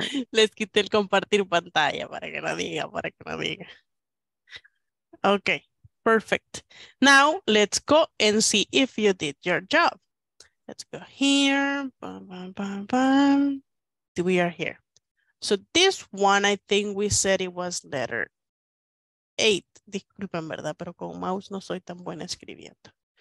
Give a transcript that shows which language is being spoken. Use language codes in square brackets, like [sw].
[es] Les quité el compartir pantalla para que no diga, Ok. [en] Perfect. Now let's go and see if you did your job. Let's go here. Bam, bam, bam, bam. We are here. So this one, I think we said it was letter 8. [es] Disculpen, ¿verdad? Pero con mouse no soy tan buena escribiendo.